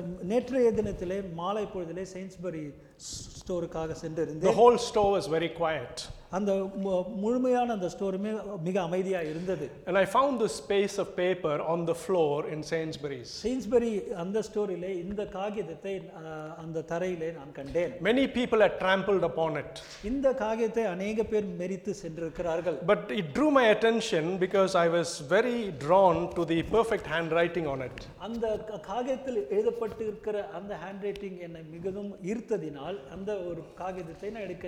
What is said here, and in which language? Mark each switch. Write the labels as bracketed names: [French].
[Tamil] நேற்றைய தினத்திலே மாலை பொழுதிலே செயின்ஸ்பரி ஸ்டோருக்காக சென்றிருந்தேன். [English] The whole store was very quiet. [Tamil] அந்த முழுமையான அந்த ஸ்டோருமே மிக அமைதியாக இருந்தது. [English] And I found this piece of paper on the floor in Sainsbury's. [Tamil] Sainsbury அந்த ஸ்டோரிலே இந்த காகிதத்தை அந்த தரையிலே நான் கண்டேன். [English] Many people had trampled upon it. [Tamil] இந்த காகிதத்தை அநேக பேர் மெரித்து சென்றிருக்கிறார்கள். [English] But it drew my attention because I was very drawn to the perfect handwriting on it. [Tamil] அந்த காகிதத்தில் எழுதப்பட்டிருக்கிற அந்த ஹேண்ட்ரைட்டிங் என்னை மிகவும் ஈர்த்ததினால் அந்த ஒரு காகிதத்தை நான் எடுக்க